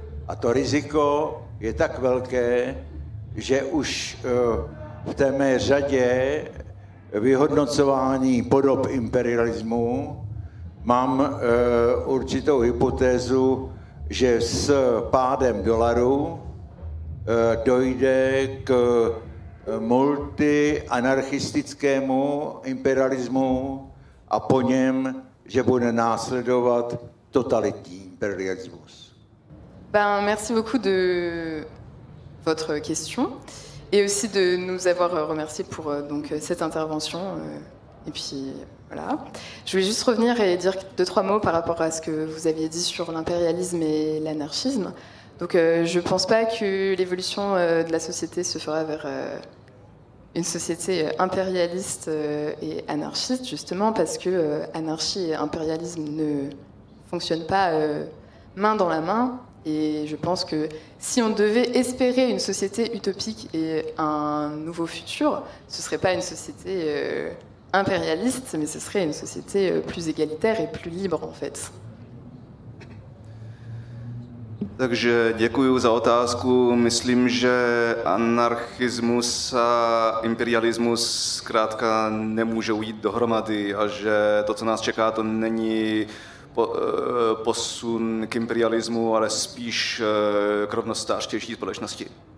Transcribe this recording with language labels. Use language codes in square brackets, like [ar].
[cs] A to riziko je tak velké, že už v té mé řadě vyhodnocování podob imperialismu mám určitou hypotézu, že s pádem dolaru dojde k multianarchistickému imperialismu a po něm, že bude následovat totalitní imperialismus. [fr] Merci beaucoup de votre question et aussi de nous avoir remercié pour donc cette intervention et puis voilà. Je voulais juste revenir et dire 2-3 mots par rapport à ce que vous aviez dit sur l'impérialisme et l'anarchisme. Donc je pense pas que l'évolution de la société se fera vers une société impérialiste et anarchiste, justement, parce que anarchie et impérialisme ne fonctionnent pas main dans la main. Et je pense que si on devait espérer une société utopique et un nouveau futur, ce ne serait pas une société impérialiste, mais ce serait une société plus égalitaire et plus libre, en fait. [cs] Takže děkuji za otázku. Myslím, že anarchismus a imperialismus zkrátka nemůžou jít dohromady a že to, co nás čeká, to není posun k imperialismu, ale spíš k rovnostářtější společnosti.